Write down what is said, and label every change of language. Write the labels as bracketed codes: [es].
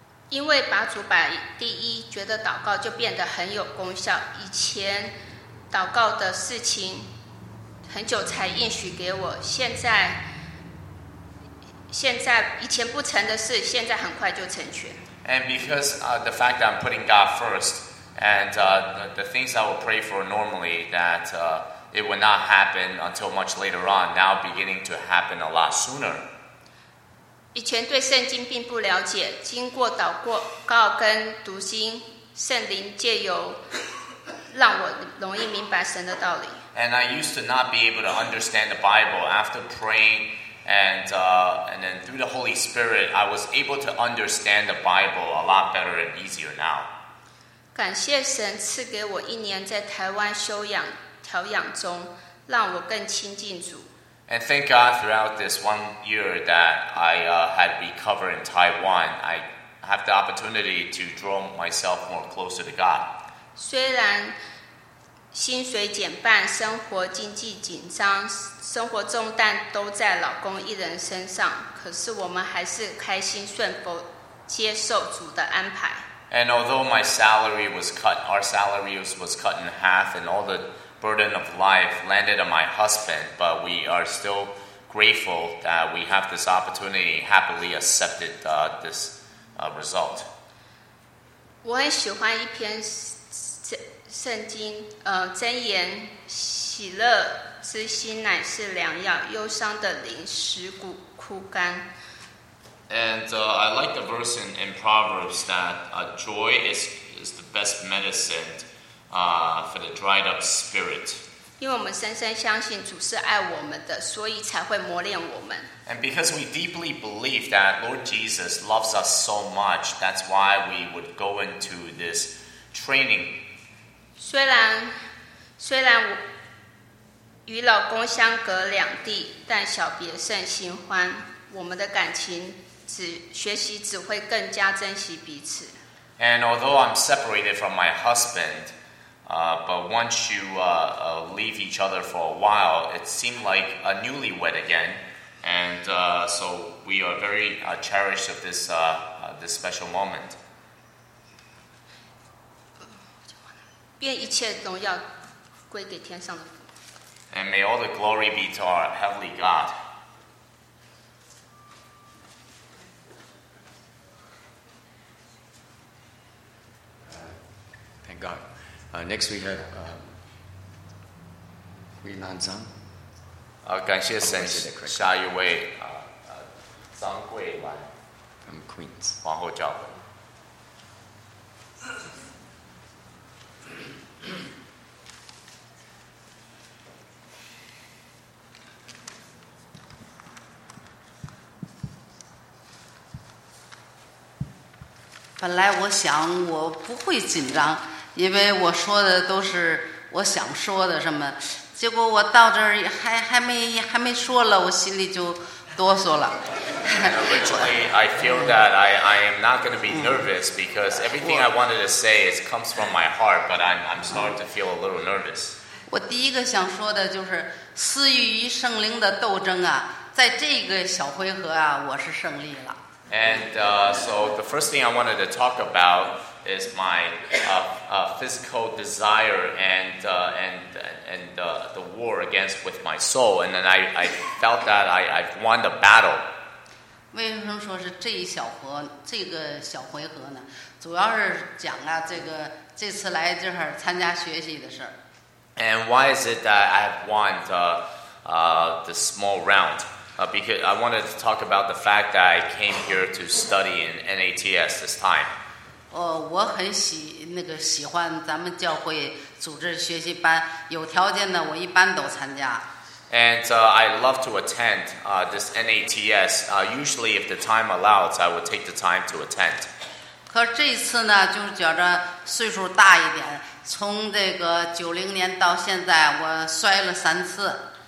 [zh] 因为把主摆第一，觉得祷告就变得很有功效。以前祷告的事情很久才应许给我，现在以前不成的事，现在很快就成全。 [en] And because the fact that I'm putting God first, and the things I will pray for normally, that it will not happen until much later on, now beginning to happen a lot sooner. [zh] 以前对圣经并不了解，经过祷告跟读经，圣灵借由让我容易明白神的道理。 [en] And I used to not be able to understand the Bible after praying, and then through the Holy Spirit, I was able to understand the Bible a lot better and easier now. [zh] 感谢神赐给我一年在台湾休养调养中，让我更亲近主。 [en] And thank God throughout this 1 year that I had recovered in Taiwan, I have the opportunity to draw myself more closer to God. [zh] 虽然薪水减半，生活经济紧张，生活重担都在老公一人身上，可是我们还是开心顺服，接受主的安排。 [en] And although my salary was cut, our salary was cut in half, and all the burden of life landed on my husband, but we are still grateful that we have this opportunity, happily accepted this result. [zh] 我很喜欢一篇圣经，箴言，喜乐之心乃是良药，忧伤的灵使骨枯干。 [en] And I like the verse in Proverbs that joy is the best medicine for the dried up spirit. [zh] 因为我们深深相信主是爱我们的，所以才会磨练我们。 [en] And because we deeply believe that Lord Jesus loves us so much, that's why we would go into this training. [zh] 虽然与老公相隔两地，但小别胜新欢。我们的感情只会更加珍惜彼此。 [en] And although I'm separated from my husband, but once you leave each other for a while, it seemed like a newlywed again. And so we are very cherished of this special moment. [zh] 愿一切荣耀归给天上的父。 [en] And may all the glory be to our heavenly God. Thank God. Next we have Wei Nan Zhang. [zh] 感谢神，下一位张桂兰。 [en] From Queens. [zh] 皇后教会。本来我想我不会紧张，因为我说的都是我想说的什么，结果我到这儿还没说了，我心里就哆嗦了。 [en] Originally, I feel that I am not going to be nervous because everything I wanted to say is comes from my heart, but I'm starting to feel a little nervous. [zh] 我第一个想说的就是私欲与圣灵的斗争啊，在这个小回合啊，我是胜利了。 [en] And so the first thing I wanted to talk about is my physical desire and the war against with my soul. And then I felt that I've won the battle. [zh] 为什么说是这一小合这个小回合呢？主要是讲啊，这次来这儿参加学习的事。 [en] And why is it that I've won the small round? Because I wanted to talk about the fact that I came here to study in NATS this time. [zh] 我很喜欢咱们教会组织学习班，有条件的我一般都参加。 [en] And I love to attend this NATS. Usually, if the time allows, I would take the time to attend. [zh] 可这一次呢，就觉着岁数大一点，从这个90年到现在，我摔了3次。